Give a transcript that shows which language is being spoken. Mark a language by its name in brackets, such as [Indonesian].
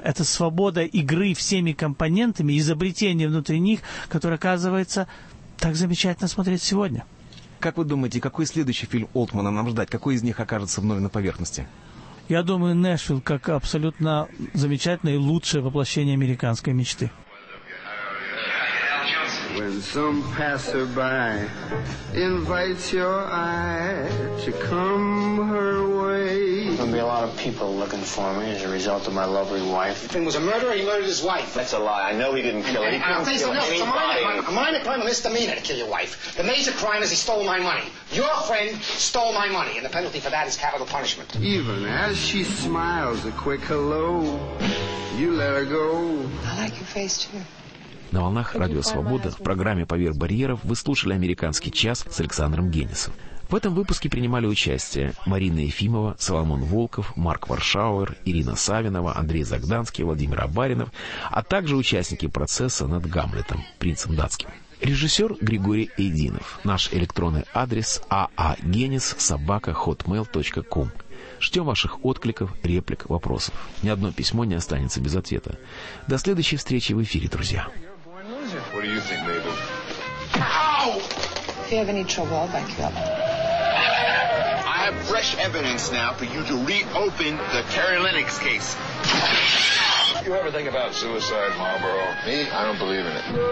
[Russian] Это свобода игры всеми компонентами, изобретения внутри них, которые, оказывается, так замечательно смотреть сегодня. Как вы думаете, какой следующий фильм Олтмана нам ждать? Какой из них окажется вновь на поверхности? Я думаю, «Нэшвилл» как абсолютно замечательное и лучшее воплощение американской мечты. [English] When some passerby invites your eye to come her way. There's gonna be a lot of people looking for me as a result of my lovely wife. The thing was a murder, he murdered his wife. That's a lie, I know he didn't kill her. A minor crime, a misdemeanor to kill your wife. The major crime is he stole my money. Your friend stole my money, and the penalty for that is capital punishment. Even as she smiles a quick hello, you let her go. I like your face too. [Russian] На волнах «Радио Свобода» в программе «Поверх барьеров» вы слушали «Американский час» с Александром Генисом. В этом выпуске принимали участие Марина Ефимова, Соломон Волков, Марк Варшауэр, Ирина Савинова, Андрей Загданский, Владимир Абаринов, а также участники процесса над «Гамлетом» принцем датским. Режиссер Григорий Эйдинов. Наш электронный адрес aagenis@hotmail.com. Ждем ваших откликов, реплик, вопросов. Ни одно письмо не останется без ответа. До следующей встречи в эфире, друзья. [English] What do you think, Mabel? Ow! If you have any trouble, I'll back you up. I have fresh evidence now for you to reopen the Terry Lennox case. You ever think about suicide, Marlboro? Me? I don't believe in it.